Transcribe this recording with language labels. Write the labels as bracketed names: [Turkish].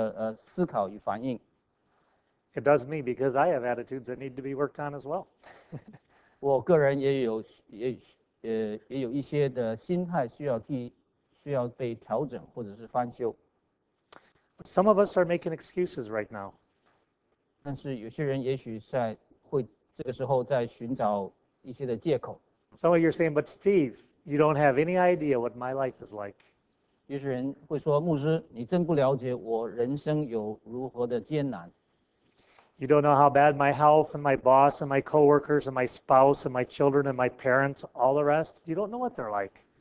[Chinese] 但是今天我所讲的这些只是做一个开始而已，但是已经足够你去有一些的思考与反应。 [English] It does me because I have attitudes that need to be worked on as well. [Chinese] 我个人也有一些的心态需要替。 [English] Some of us are making excuses right now. [Chinese] 但是有些人也许在会这个时候在寻找一些的借口。 [English] Some of you are saying, "But Steve, you don't have any idea what my life is like." [Chinese] 有些人会说，牧师，你真不了解我人生有如何的艰难。 [English] You don't know how bad my health and my boss and my coworkers and my spouse and my children and my parents, all the rest. You don't know what they're like.